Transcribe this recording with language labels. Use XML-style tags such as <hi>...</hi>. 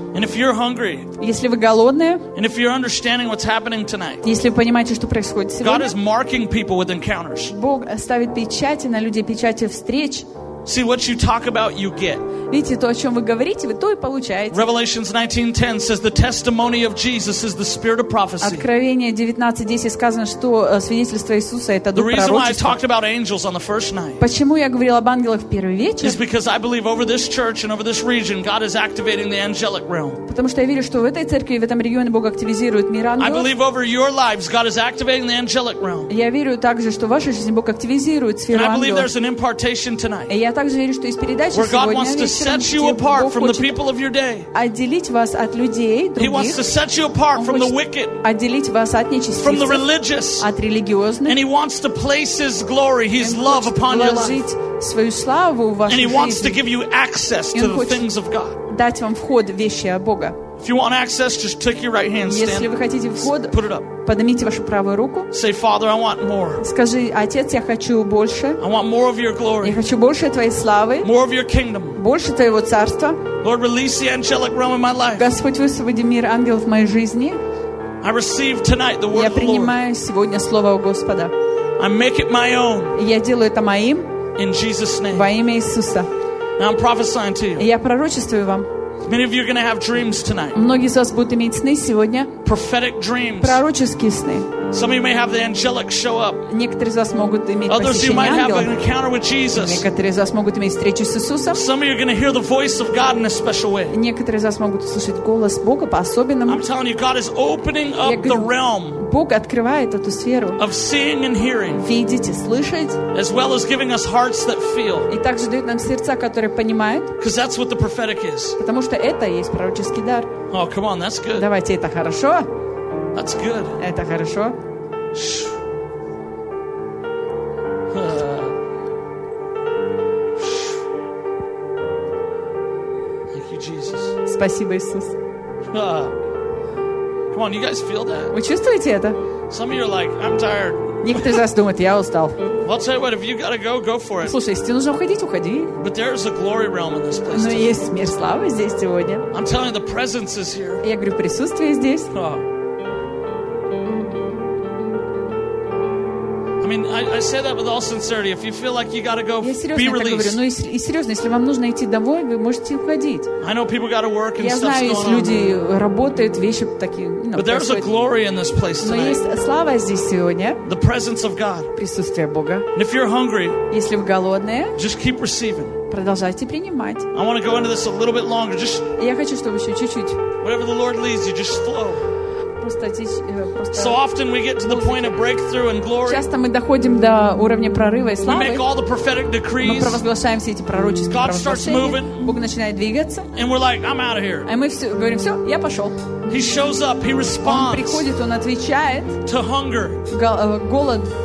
<en>And if you're hungry,</en> <ru>если вы голодные,</ru> <en>and if you're understanding what's happening tonight,</en> <ru>если вы понимаете, что происходит сегодня,</ru> <en>God is marking people with encounters.</en> <ru>Бог ставит печати на людей, печати встреч.</ru> <en>See what you talk about, you get.</en> <ru>Видите, то, о чем вы говорите, вы то и получаете.</ru> <en>Revelations 19:10 says the testimony of Jesus is the spirit of prophecy.</en> <ru>Откровение 19:10 сказано, что свидетельство Иисуса это дух пророчества.</ru> <en>The reason why I talked about angels on the first night.</en> <ru>Почему я говорил об ангелах в первый вечер?</ru> <en>Is because I believe over this church and over this region, God is activating the angelic realm.</en> <ru>Потому что я верю, что в этой церкви и в этом регионе Бог активизирует мир ангелов.</ru> <en>I believe over your lives, God is activating the angelic realm.</en> <ru>Я верю также, что в вашей жизни Бог активизирует сферу ангелов.</ru> <en>And I believe there's an impartation tonight.</en> <ru>Я также верю, что есть передача</ru> <en>where God</en> <ru>сегодня.</ru> <en>Wants to set you apart from the people of your day.</en> <ru>Отделить вас от людей других.</ru> <en>He wants to set you apart from the wicked.</en> <ru>Отделить вас от нечестивцев.</ru> <en>From the religious.</en> <ru>От религиозных.</ru> <en>And He wants to place His glory, His love upon your life.</en> <ru>Свою славу в вашей жизни.</ru> <en>And He wants to give you access to the things of God.</en> <ru>Дать вам вход в вещи Бога.</ru> <en>If you want access, just take your right hand, stand.</en> <ru>Если вы хотите вход,</ru> <en>put it up.</en> <ru>Поднимите вашу правую руку.</ru> <en>Say, Father, I want more.</en> <ru>Скажи, Отец, я хочу больше.</ru> <en>I want more of your glory.</en> <ru>Я хочу больше твоей славы.</ru> <en>More of your kingdom.</en> <ru>Больше твоего царства.</ru> <en>Lord, release the angelic realm in my life.</en> <ru>Господь, высвободи мир ангелов в моей жизни.</ru> <en>I receive tonight the word of the Lord.</en> <ru>Я принимаю сегодня слово у Господа.</ru> <en>I make it my own.</en> <ru>Я делаю это моим.</ru> <en>In Jesus' name.</en> <ru>Во имя Иисуса.</ru> <en>Now I'm prophesying to you.</en> <ru>Я пророчествую вам.</ru> <en>Many of you are going to have dreams tonight.</en> <ru>Многие из вас будут иметь сны сегодня.</ru> <en>Prophetic dreams.</en> <ru>Пророческие сны.</ru> <en>Some of you may have the angelic show up.</en> <ru>Некоторые из вас могут иметь посещение ангелов.</ru> <en>Others you might have an encounter with Jesus.</en> <ru>Некоторые из вас могут иметь встречу с Иисусом.</ru> <en>Some of you are going to hear the voice of God in a special way.</en> <ru>Некоторые из вас могут услышать голос Бога по-особенному.</ru> <en>I'm telling you, God is opening up the realm.</en> <ru>Бог открывает эту сферу.</ru> <en>Of seeing and hearing.</en> <ru>Видеть и слышать.</ru> <en>As well as giving us hearts that feel.</en> <ru>И также дает нам сердца, которые понимают.</ru> <en>Because that's what the prophetic is.</en> <ru>Потому что это и есть пророческий дар.</ru> <en>Oh, come on, that's good.</en> <ru>Давайте, это хорошо.</ru> <en>That's good.</en> <ru>Это хорошо.</ru> <en>Thank you, Jesus.</en> <ru>Спасибо, Иисус.</ru> <en>Come on, you guys feel that?</en> <ru>Вы чувствуете это?</ru> <en>Some of you are like, I'm tired.</en> <ru>Некоторые из вас думают, я устал.</ru> <en>I'll tell you what, if you gotta go, go for it.</en> <ru>Слушай, если тебе нужно уходить, уходи.</ru> <en>But there is a glory realm in this place.</en> <ru>Но есть мир славы здесь сегодня.</ru> <en>I'm telling you, the presence is here.</en> <ru>Я говорю, присутствие здесь. Oh.</ru> <en>I mean, I say that with all sincerity. If you feel like you gotta go, be released.</en> <ru>Я серьезно так говорю. Ну и серьезно, если вам нужно идти домой, вы можете уходить.</ru> <en>I know people gotta work and stuff's going on.</en> <ru>Я знаю, люди работают, вещи такие.</ru> <en>But there's a glory in this place tonight.</en> <ru>Но есть слава здесь сегодня.</ru> <en>The presence of God.</en> <ru>Присутствие Бога.</ru> <en>And if you're hungry,</en> <ru>если вы голодные,</ru> <en>just keep receiving.</en> <ru>Продолжайте принимать.</ru> <en>I want to go into this a little bit longer. Just.</en> <ru>Я хочу, чтобы еще чуть-чуть.</ru> <en>Whatever the Lord leads you, just flow.</en> <ru>Просто</ru> <en>so often we get to the point of breakthrough and glory.</en> <ru>Часто мы доходим до уровня прорыва и славы.</ru> <en>We make all the prophetic decrees.</en> <ru>Мы провозглашаем все эти пророческие провозглашения.</ru> <en>God starts moving.</en> <ru>Бог начинает двигаться.</ru> <en>And we're like, I'm out of here.</en> <ru>А мы все говорим, все, я пошел.</ru> <en>He shows up. He responds.</en> <ru>Он приходит, он отвечает.</ru> <en>To hunger.</en> <ru>Голод.</ru>